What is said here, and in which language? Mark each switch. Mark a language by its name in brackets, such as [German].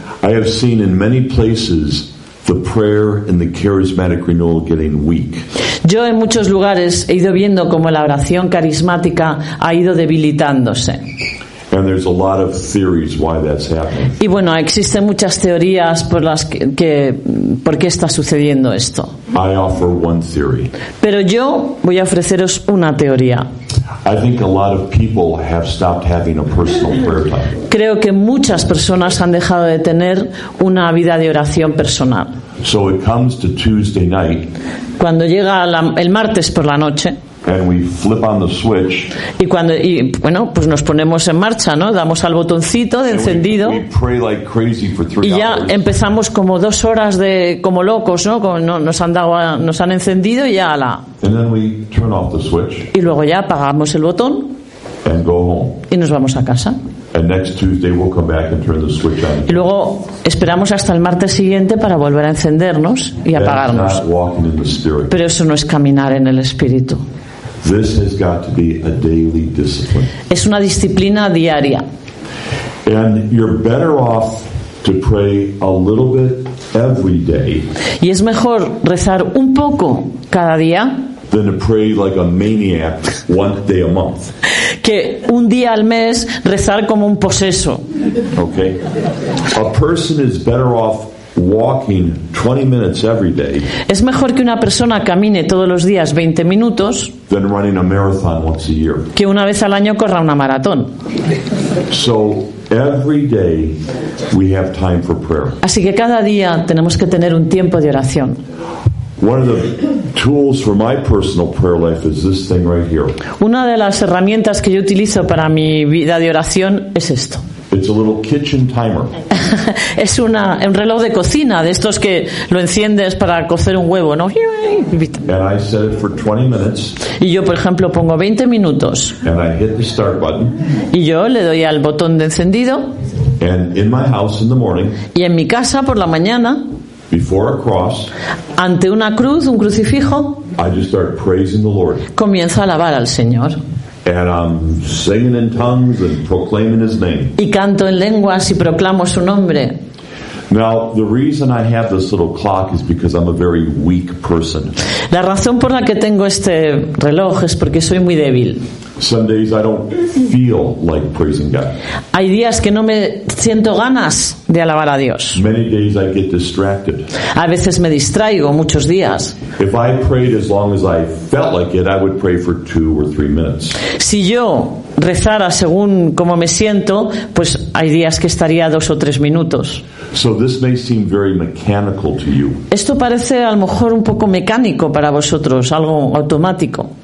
[English] I have seen in many places the prayer and the charismatic renewal getting weak. [Spanish] Yo en muchos lugares he ido viendo cómo la oración carismática ha ido debilitándose. [English] And there's a lot of theories why that's happening. [Spanish] Y bueno, existen muchas teorías por las que por qué está sucediendo esto. [English] I offer one theory. [Spanish] Pero yo voy a ofreceros una teoría. [English] I think a lot of people have stopped having a personal prayer time. [Spanish] Creo que muchas personas han dejado de tener una vida de oración personal. [English] So it comes to Tuesday night. [Spanish] Cuando llega el martes por la noche. [English] And we flip on the switch. [Spanish] Y cuando y bueno, pues nos ponemos en marcha, ¿no? Damos al botoncito de encendido. [English] We pray like crazy for three [Spanish] y ya [English] hours. [Spanish] Empezamos como dos horas de como locos, ¿no? Como no, nos han dado, nos han encendido y ya la. [English] And then we turn off the switch. [Spanish] Y luego ya apagamos el botón. [English] And go home. [Spanish] Y nos vamos a casa. [English] And next Tuesday we'll come back and turn the switch on. [Spanish] Y luego esperamos hasta el martes siguiente para volver a encendernos y [English] that's [Spanish] apagarnos. [English] Not walking in the spirit. [Spanish] Pero eso no es caminar en el espíritu. [English] This has got to be a daily discipline. [Spanish] Es una disciplina diaria. [English] And you're better off to pray a little bit every day. [Spanish] Y es mejor rezar un poco cada día. [English] Than to pray like a maniac one day a month. [Spanish] Que un día al mes rezar como un poseso. [English] Okay. A person is better off walking 20 minutes every day. [Spanish] Es mejor que una persona camine todos los días 20 minutos. [English] Than running a marathon once a year. [Spanish] Que una vez al año corra una maratón. [English] So every day we have time for prayer. [Spanish] Así que cada día tenemos que tener un tiempo de oración. [English] One of the tools for my personal prayer life is this thing right here. [Spanish] Una de las herramientas que yo utilizo para mi vida de oración es esto. [English] It's a little kitchen timer. [Spanish] Es un reloj de cocina, de estos que lo enciendes para cocer un huevo, ¿no? [English] And I set it for 20 minutes. [Spanish] Y yo, por ejemplo, pongo 20 minutos. [English] And I hit the start button. [Spanish] Y yo le doy al botón de encendido. [English] And in my house in the morning. [Spanish] Y en mi casa por la mañana. [English] Before a cross. [Spanish] Ante una cruz, un crucifijo. [English] I just start praising the Lord. [Spanish] Comienzo a alabar al Señor. [English] And I'm singing in tongues and proclaiming his name. [Spanish] Y canto en lenguas y proclamo su nombre. [English] Now, the reason I have this little clock is because I'm a very weak person. [Spanish] La razón por la que tengo este reloj es porque soy muy débil. [English] Some days I don't feel like praising God. [Spanish] Hay días que no me siento ganas de alabar a Dios. [English] Many days I get distracted. [Spanish] A veces me distraigo muchos días. [English] If I prayed as long as I felt like it, I would pray for 2 or 3 minutes. [Spanish] Si yo rezara según como me siento, pues hay días que estaría 2 o 3 minutos. [English] So this may seem very mechanical to you. [Spanish] Esto parece a lo mejor un poco mecánico para vosotros, algo automático.